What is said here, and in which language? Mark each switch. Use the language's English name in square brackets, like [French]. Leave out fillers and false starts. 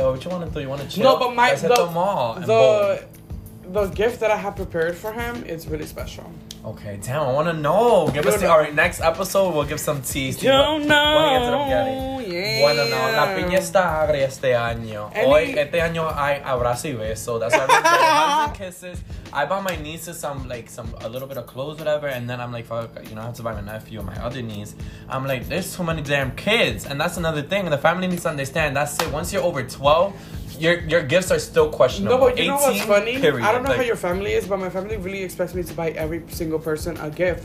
[English] What you want to do? You want to chill? No, but my... The gift that I have prepared for him is really special. Okay, damn, I want to know. Give us the... All right, next episode, we'll give some tea. You don't know. [Spanish] Bueno, no, la piña está agria este año. Hoy, este año, hay abrazo y beso. [English] That's why I bring hugs and kisses. I bought my nieces some, like, a little bit of clothes, whatever. And then I'm like, fuck, you know, I have to buy my nephew and my other niece. I'm like, there's too many damn kids. And that's another thing. The family needs to understand. That's it. Once you're over 12, your gifts are still questionable. No, but you know what's funny? Period. I don't know, like, how your family is, but my family really expects me to buy every single person a gift.